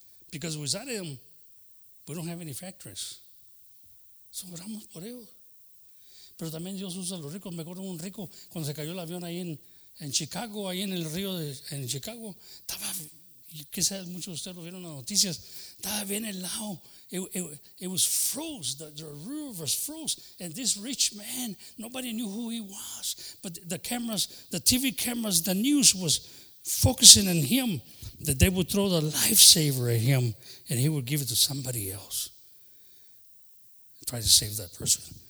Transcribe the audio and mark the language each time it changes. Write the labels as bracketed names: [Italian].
[English] Because without them, we don't have any factories. [Spanish] So oramos por ellos. Pero también Dios usa a los ricos. Me acuerdo de un rico cuando se cayó el avión ahí en Chicago, ahí en el río en Chicago. Estaba, quizás muchos de ustedes lo vieron en las noticias, estaba bien helado. [English] It was froze, the roof was froze. And this rich man, nobody knew who he was. But the cameras, the TV cameras, the news was focusing on him, that they would throw the lifesaver at him and he would give it to somebody else. Try to save that person.